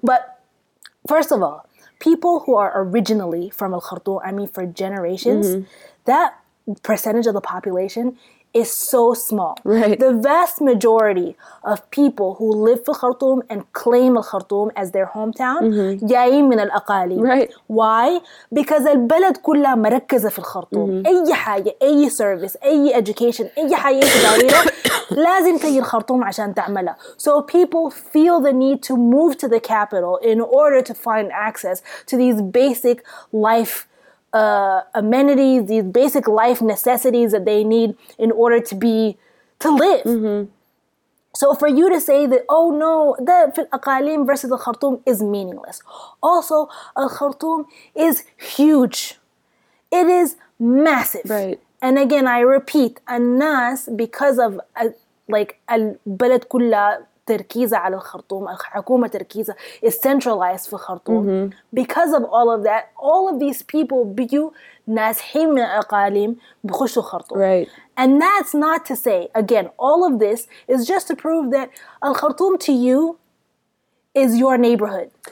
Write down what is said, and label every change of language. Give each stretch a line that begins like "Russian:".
English: But first of all, people who are originally from Khartoum, I mean, for generations, that percentage of the population is so small. Right. The vast majority of people who live in Khartoum and claim Khartoum as their hometown,
Arabic: جايين من الأقاليم.
English: Right. Why? Because
Arabic: البلد كلها مركزة في الخرطوم. أي حاجة, أي service, أي education, أي حاجة تدارينا, لازم تجي الخرطوم عشان تعملها.
English: So people feel the need to move to the capital in order to find access to these basic life amenities, these basic life necessities that they need in order to be, to live. So for you to say that, oh no, the Al-Aqalim versus Al-Khartoum is meaningless. Also, Al-Khartoum is huge. It is massive. Right. And again, I repeat,
Arabic: الناس,
English: because of like
Arabic: البلد كلها تركيزة على الخرطوم, الحكومة تركيزة
English: is centralized
Arabic: في الخرطوم.
English: Because of all of that, all of these people
Arabic: بيجوا ناسحين من الأقاليم بخشوا الخرطوم.
English: Right. And that's not to say, again, all of this is just to prove that الخرطوم to you is your neighborhood.